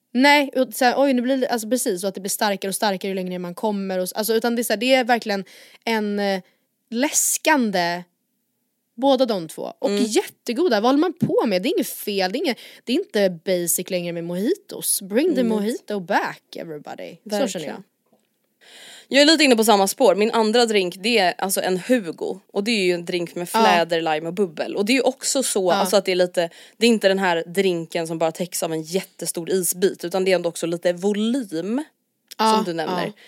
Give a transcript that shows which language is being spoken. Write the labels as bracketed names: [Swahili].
[Swedish] Nej, så här, oj, nu blir det, alltså precis, så att det blir starkare och starkare ju längre man kommer och, alltså, utan det är, så här, det är verkligen en läskande, båda de två, och jättegoda. Vad håller man på med? Det är inget fel, det är inte basic längre med mojitos. [English] Bring the mojito back, everybody. [Swedish] Verkligen. Så känner jag. Jag är lite inne på samma spår. Min andra drink, det är alltså en Hugo. Och det är ju en drink med fläder, lime och bubbel. Och det är ju också så alltså att det är lite... Det är inte den här drinken som bara täcks av en jättestor isbit. Utan det är ändå också lite volym, som du nämner.